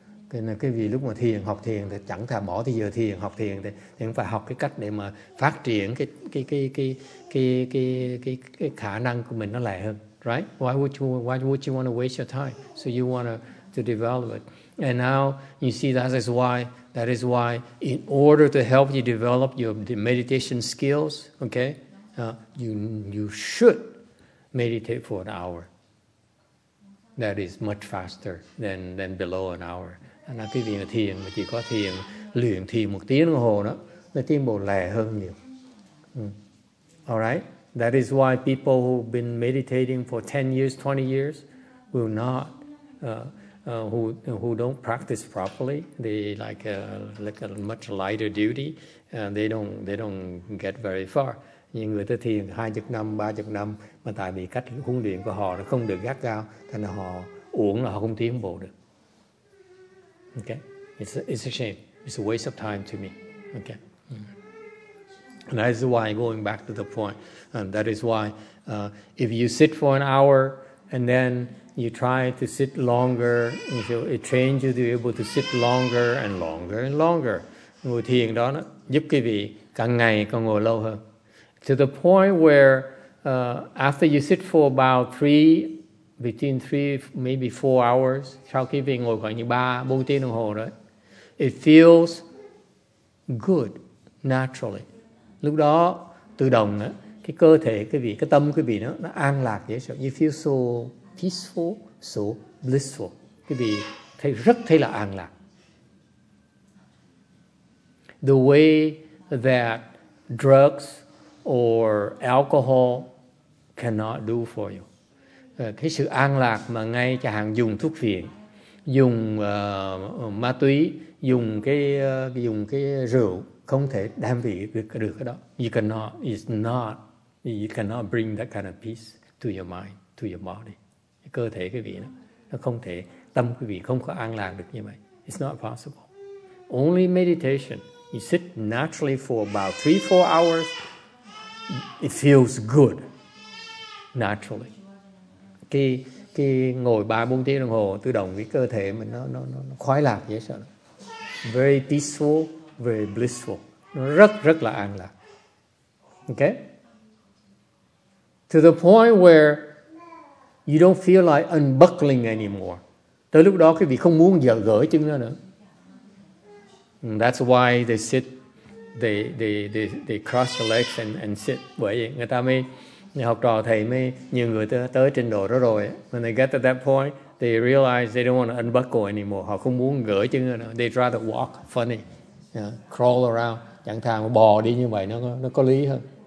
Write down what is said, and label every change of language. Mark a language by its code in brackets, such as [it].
[vi] Cái này, cái vì lúc mà thiền học thiền thì chẳng thà bỏ thì giờ thiền học thiền thì cũng phải học cái cách để mà phát triển cái khả năng của mình nó lại hơn, right? [en] Why would you want to waste your time? So you want to develop it. And now you see that is why in order to help you develop your meditation skills, okay? You should meditate for an hour. That is much faster than below an hour. [vi] And nói cái việc thiền mà chỉ có thiền luyện thiền một tiếng đồng hồ đó, nó tiến bộ lẹ hơn nhiều. [en] All right. That is why people who've been meditating for 10 years, 20 years will not who don't practice properly. They like a much lighter duty, and they don't get very far. [vi] Những người ta thiền 20 năm, 30 năm, mà tại vì cách huấn luyện của họ nó không được gắt gao, thế nên họ uổng là họ không tiến bộ được. [en] Okay, it's a shame. It's a waste of time to me. Okay, and that is why, going back to the point, that is why if you sit for an hour and then you try to sit longer, it trains you to be able to sit longer and longer and longer. [vi] Ngồi thiền đó nó giúp quý vị càng ngày con ngồi lâu hơn. [en] To the point where after you sit for about between three, maybe four hours, [vi] sau khi về ngồi khoảng như 3-4 tiếng đồng hồ đấy, [en] it feels good naturally. [vi] Lúc đó, tự động đó, cái cơ thể, cái tâm quý vị nó an lạc dễ sợ. [en] You feel so peaceful, so blissful. [vi] Quý vị thấy, rất thấy là an lạc. [en] The way that drugs or alcohol cannot do for you. [vi] Cái sự an lạc mà ngay chẳng hạn dùng thuốc phiện, dùng ma túy, dùng cái rượu không thể đem về được cái đó. [en] You cannot bring that kind of peace to your mind, to your body. [vi] Cơ thể quý vị nó không thể, tâm quý vị không có an lạc được như vậy. [en] It's not possible. Only meditation. You sit naturally for about 3-4 hours. It feels good naturally. [vi] Cái ngồi 3-4 tiếng đồng hồ tự động cái cơ thể mình nó khoái lạc dễ sợ. [en] Very peaceful, very blissful. [vi] Nó rất rất là an lạc. Okay? [en] To the point where you don't feel like unbuckling anymore. [vi] Tới lúc đó quý vị không muốn gỡ chân ra nữa. [en] And that's why they sit, they cross the legs and sit. [vi] Bởi vậy người ta mới, người học trò thầy mới, nhiều người tới trình độ đó rồi. [en] When they get to that point, they realize they don't want to unbuckle anymore. [vi] Họ không muốn gỡ chân ra nữa. [en] They'd rather walk funny, yeah, crawl around. [vi] Chẳng thà bò đi như vậy nó có lý hơn.